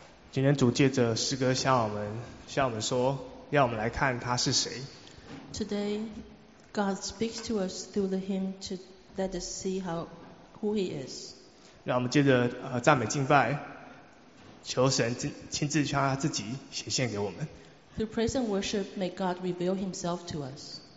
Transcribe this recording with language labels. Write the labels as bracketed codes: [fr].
[zh] 今天主借着诗歌向我们，向我们说，让我们来看他是谁。 [en] Today, God speaks to us through the hymn to let us see how who He is. [zh] 让我们借着赞美敬拜，求神亲自将他自己显现给我们。 [en] Through praise and worship, may God reveal Himself to us.